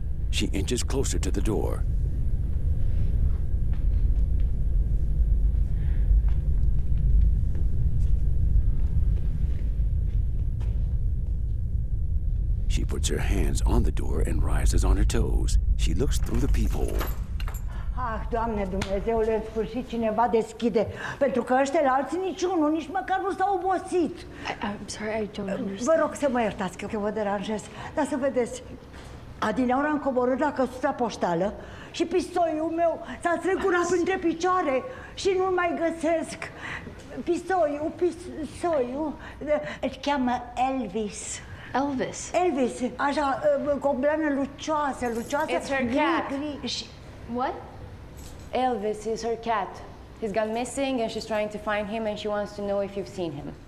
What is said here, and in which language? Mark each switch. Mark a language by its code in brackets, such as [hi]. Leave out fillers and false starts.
[en] She inches closer to the door. She puts her hands on the door and rises on her toes. She looks through the peephole. [ro] Ah, Doamne Dumnezeule, în sfârșit cineva deschide. Pentru că ăștia, alții, niciunul, nici măcar nu s-a obosit. [en] I'm sorry, I don't understand. [ro] Vă rog să mă iertați că vă deranjez. Dar să vedeți, adineaura am coborât la căsuța poștală și pistoiul meu s-a strecurat printre picioare și nu-l mai găsesc. Pistoiul, îl cheamă Elvis. Elvis? Elvis, așa, cu o blană lucioasă, lucioasă. [en] It's her cat. What? Elvis is her cat. He's gone missing and she's trying to find him and she wants to know if you've seen him.